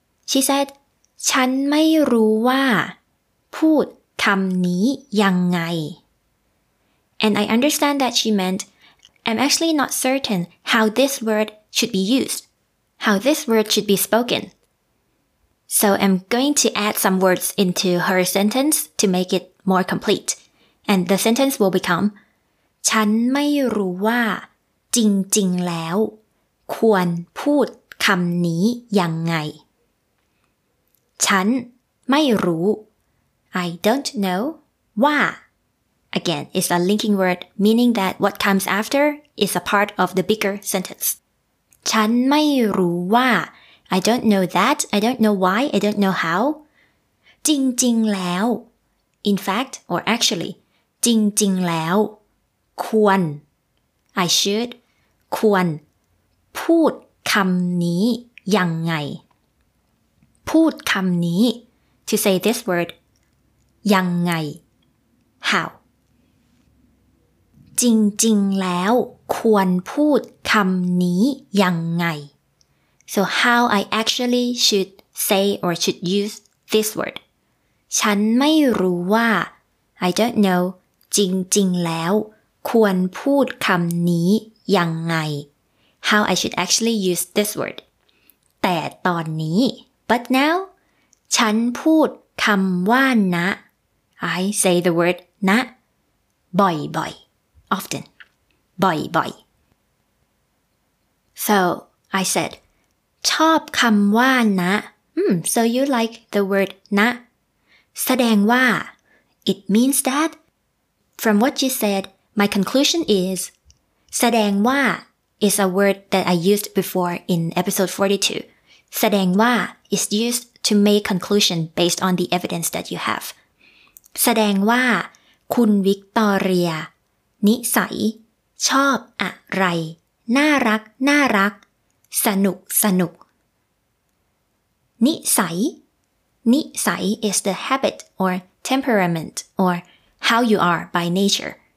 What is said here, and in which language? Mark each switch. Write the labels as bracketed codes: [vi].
[en] she said [th] ฉันไม่รู้ว่าพูดคำนี้ยังไง [en] and I understand that she meantI'm actually not certain how this word should be used, how this word should be spoken. So I'm going to add some words into her sentence to make it more complete. And the sentence will become, [th] ฉันไม่รู้ว่าจริงๆแล้วควรพูดคำนี้ยังไง ฉันไม่รู้ [en] I don't know ว่าAgain, it's a linking word, meaning that what comes after is a part of the bigger sentence. [th] ฉันไม่รู้ว่า [en] I don't know that, I don't know why, I don't know how. [th] จริงๆแล้ว [en] In fact, or actually, [th] จริงๆแล้วควร [en] I should, [th] ควรพูดคำนี้ยังไงพูดคำนี้ [en] to say this word, [th] ยังไง [en] how. [th] จริงๆแล้วควรพูดคำนี้ยังไง [en] So how I actually should say or should use this word [th] ฉันไม่รู้ว่า [en] I don't know [th] จริงๆแล้วควรพูดคำนี้ยังไง [en] How I should actually use this word [th] แต่ตอนนี้ [en] But now [th] ฉันพูดคำว่าณ [en] I say the word ณ [th] บ่อยๆ [en] Often. Bye-bye. So, I said, [th] ชอบคำว่าณ [en] So you like the word ณ [th] แสดงว่า [en] It means that From what you said, my conclusion is แสดงว่า is a word that I used before in episode 42. แสดงว่า is used to make conclusion based on the evidence that you have. [th] แสดงว่าคุณวิกตอเรียนิสัยชอบอะไร น่ารักน่ารักสนุกสนุกนิสัยนิสัย [en] is the habit or temperament or how you are by nature.